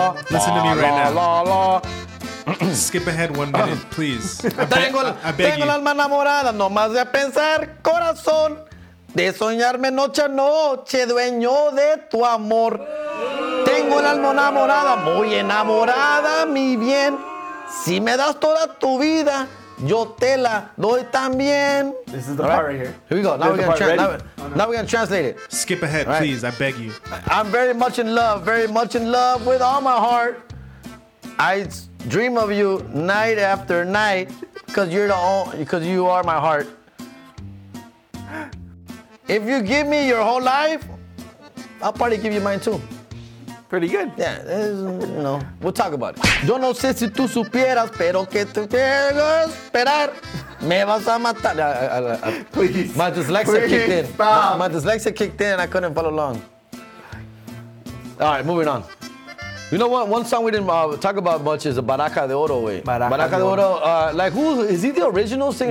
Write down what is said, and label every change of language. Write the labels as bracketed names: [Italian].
[English] Listen to me right now. Skip ahead 1 minute, please. I beg you. [Spanish] Tengo alma enamorada, no más de pensar, corazón. De soñarme noche a noche, dueño de tu amor. Tengo el alma enamorada, muy enamorada, mi bien. Si me das toda tu vida, yo te la doy también. [English] This is the part right here. Here we go. Now we're going to translate it. Skip ahead, right. Please. I beg you. I'm very much in love with all my heart. I dream of you night after night because you are my heart. If you give me your whole life, I'll probably give you mine too. Pretty good. Yeah, we'll talk about it. [Spanish] Yo no sé si tú supieras, pero que te quiero esperar. Me vas a matar. [English] Please. My dyslexia kicked in. My dyslexia kicked in and I couldn't follow along. All right, moving on. You know what? One song we didn't talk about much is the Baraja de Oro way. [Spanish] Baraja de Oro. [English] Who is he? The original singer?